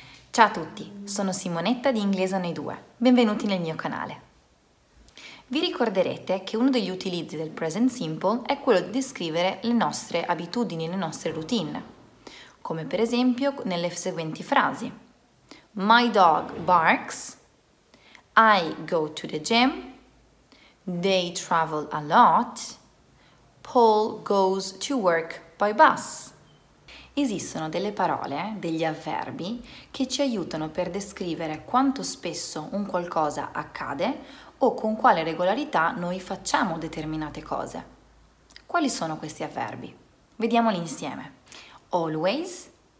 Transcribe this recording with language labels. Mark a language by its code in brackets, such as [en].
[it] Ciao a tutti, sono Simonetta di Inglese Noi Due. Benvenuti nel mio canale. Vi ricorderete che uno degli utilizzi del present simple è quello di descrivere le nostre abitudini, le nostre routine. Come per esempio nelle seguenti frasi. [en] My dog barks, I go to the gym, they travel a lot, Paul goes to work by bus. [it] Esistono delle parole, degli avverbi, che ci aiutano per descrivere quanto spesso un qualcosa accade o con quale regolarità noi facciamo determinate cose. Quali sono questi avverbi? Vediamoli insieme. Always.